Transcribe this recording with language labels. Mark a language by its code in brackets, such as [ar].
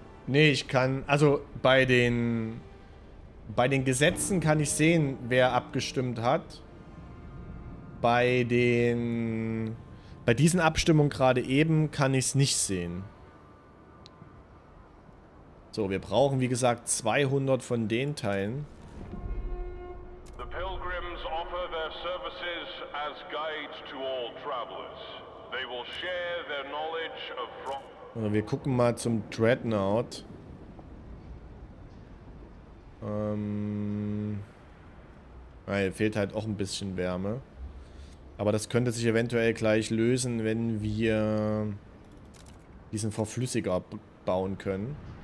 [de] Nee, ich kann, also bei den Gesetzen kann ich sehen, wer abgestimmt hat. Bei diesen Abstimmungen gerade eben kann ich es nicht sehen. So, wir brauchen, wie gesagt, 200 von den Teilen. [en] The Pilgrims offer their services as guides to all travelers. They will share their knowledge of from. [de] Also wir gucken mal zum Dreadnought. Hier fehlt halt auch ein bisschen Wärme. Aber das könnte sich eventuell gleich lösen, wenn wir diesen Verflüssiger bauen können.